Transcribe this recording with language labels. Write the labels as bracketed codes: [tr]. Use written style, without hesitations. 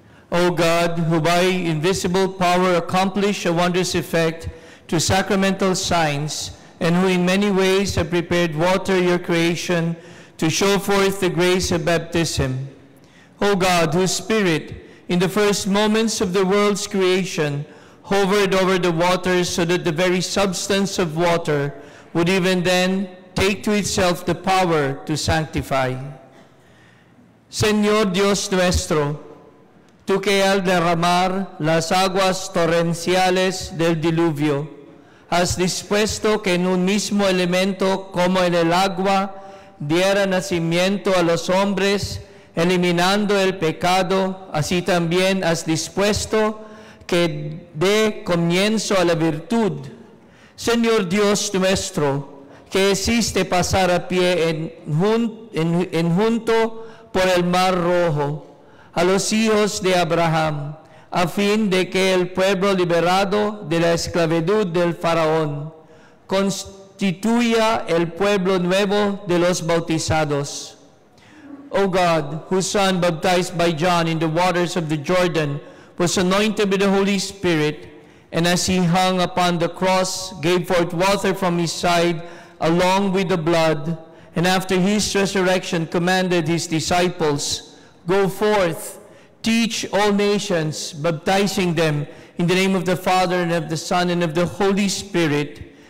[en] O God, who by invisible power accomplish a wondrous effect to sacramental signs, and who in many ways have prepared water, your creation, to show forth the grace of baptism. O God, whose Spirit, in the first moments of the world's creation, hovered over the waters so that the very substance of water would even then take to itself the power to sanctify. [es] Señor Dios nuestro, tú que al derramar las aguas torrenciales del diluvio, has dispuesto que en un mismo elemento como en el agua diera nacimiento a los hombres, eliminando el pecado, así también has dispuesto que dé comienzo a la virtud. Señor Dios nuestro, que hiciste pasar a pie en junto por el Mar Rojo a los hijos de Abraham, a fin de que el pueblo liberado de la esclavitud del faraón constituya el pueblo nuevo de los bautizados. [en] O God, whose Son, baptized by John in the waters of the Jordan, was anointed with the Holy Spirit, and as he hung upon the cross, gave forth water from his side along with the blood, and after his resurrection commanded his disciples, "Go forth, teach all nations, baptizing them in the name of the Father and of the Son and of the Holy Spirit.